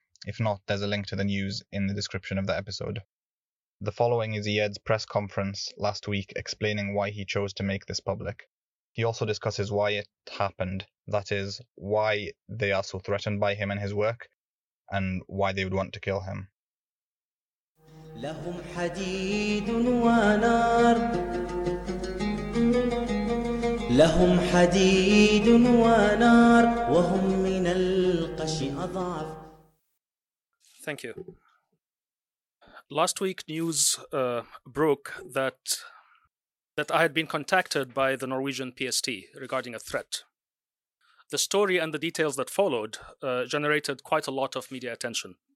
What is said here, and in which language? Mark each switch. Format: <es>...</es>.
<en>If not, there's a link to the news in the description of the episode. The following is Iyad's press conference last week explaining why he chose to make this public. He also discusses why it happened, that is, why they are so threatened by him and his work, and why they would want to kill him.</en> <ar>لهم حديد ونار لهم حديد ونار وهم من القش أضعف.</ar> <en>Thank you. Last week news broke that I had been contacted by the Norwegian PST regarding a threat. The story and the details that followed generated quite a lot of media attention.</en>